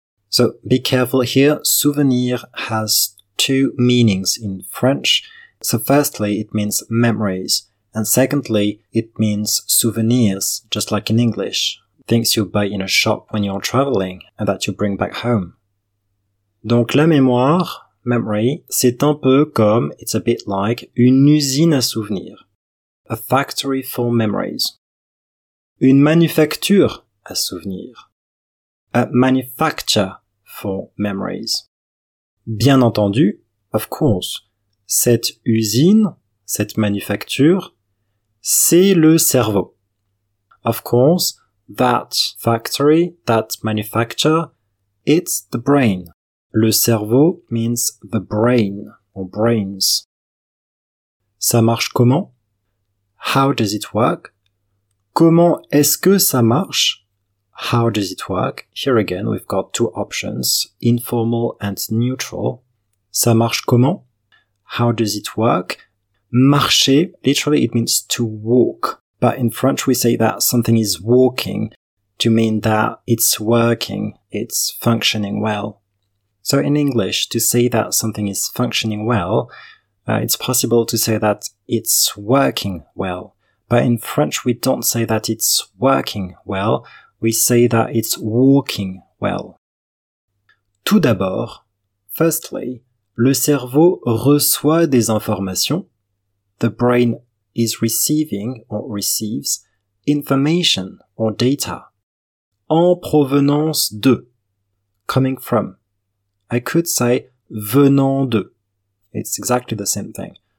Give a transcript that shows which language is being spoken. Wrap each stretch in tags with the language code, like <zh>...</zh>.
<en>So be careful here, souvenir has two meanings in French. So firstly, it means memories. And secondly, it means souvenirs, just like in English. Things you buy in a shop when you're traveling and that you bring back home.</en> <fr>Donc la mémoire, memory, c'est un peu comme,</fr> <en>it's a bit like,</en> <fr>une usine à souvenirs.</fr> <en>A factory for memories.</en> <fr>Une manufacture à souvenirs.</fr> <en>A manufacture for memories.</en> <fr>Bien entendu,</fr> <en>of course,</en> <fr>cette usine, cette manufacture, c'est le cerveau.</fr> <en>Of course, that factory, that manufacture, it's the brain.</en> <fr>Le cerveau</fr> <en>means the brain or brains.</en> <fr>Ça marche comment?</fr> <en>How does it work?</en> <fr>Comment est-ce que ça marche?</fr> <en>How does it work? Here again, we've got two options, informal and neutral.</en> <fr>Ça marche comment?</fr> <en>How does it work?</en> <fr>Marcher,</fr> <en>literally it means to walk. But in French we say that something is walking to mean that it's working, it's functioning well. So in English, to say that something is functioning well, it's possible to say that it's working well. But in French, we don't say that it's working well, we say that it's walking well.</en> <fr>Tout d'abord,</fr> <en>firstly,</en> <fr>le cerveau reçoit des informations.</fr> <en>The brain is receiving or receives information or data.</en> <fr>En provenance de.</fr> <en>Coming from. I could say</en> <fr>venant de.</fr> <en>It's exactly the same thing.</en>